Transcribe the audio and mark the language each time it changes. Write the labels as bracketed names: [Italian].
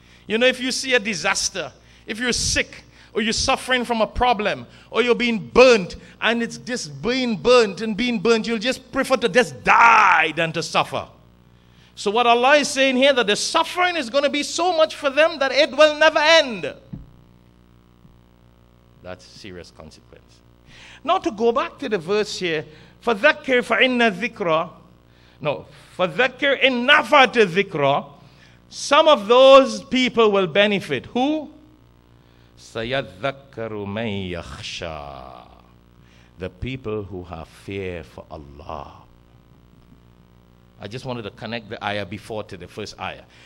[English] You know, if you see a disaster, if you're sick, or you're suffering from a problem, or you're being burnt, and it's just being burnt, you'll just prefer to just die than to suffer. So what Allah is saying here, that the suffering is going to be so much for them that it will never end. That's serious consequence. Now to go back to the verse here, [Arabic] فَذَكِّرْ فَإِنَّ ذِكْرَى. [English] No, [Arabic] فَذَكِّرْ إِنْ نَفَعْتَ ذِكْرَى. [English] Some of those people will benefit. Who? [Arabic] سَيَذَّكَّرُ مَنْ يَخْشَى. [English] The people who have fear for Allah. I just wanted to connect the ayah before to the first ayah.